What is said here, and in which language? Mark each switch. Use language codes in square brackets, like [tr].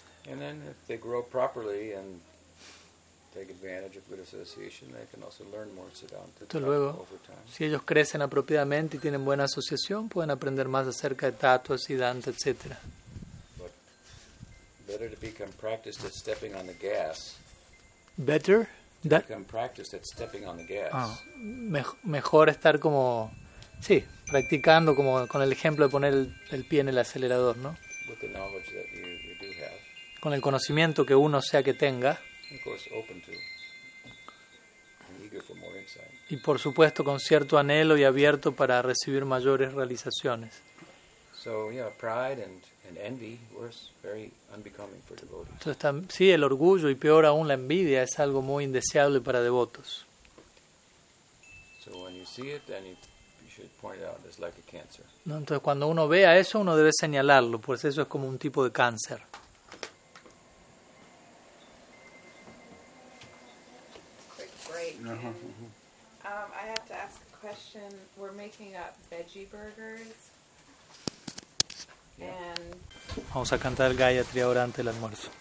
[en] And then, if they grow properly and take advantage of good association, they can also learn more Siddhanta. [es] Entonces, luego, si ellos crecen apropiadamente y tienen buena asociación, pueden aprender más acerca de Tattva, Siddhanta, etc. [en] Better to become practiced at stepping on the gas. Better? That? Become practiced at stepping on the gas. [es] Oh. Mejor estar como... Sí, practicando como con el ejemplo de poner el pie en el acelerador, ¿no? [en] With the knowledge that you do have. [es] Con el conocimiento que uno sea que tenga. [en] Of course, open to and eager for more insight. [es] Y por supuesto con cierto anhelo y abierto para recibir mayores realizaciones. [en] So, yeah, pride and envy were very unbecoming for devotees. [es] Entonces, sí, el orgullo y peor aún la envidia es algo muy indeseable para devotos. [en] So when you see it, then you should point it out. It's like a cancer. [es] No, entonces, cuando uno vea eso, uno debe señalarlo, pues eso es como un tipo de cáncer. [en] Quick break. I have to ask a question. We're making up veggie burgers. [es] Vamos a cantar el Gayatri ahora antes del almuerzo.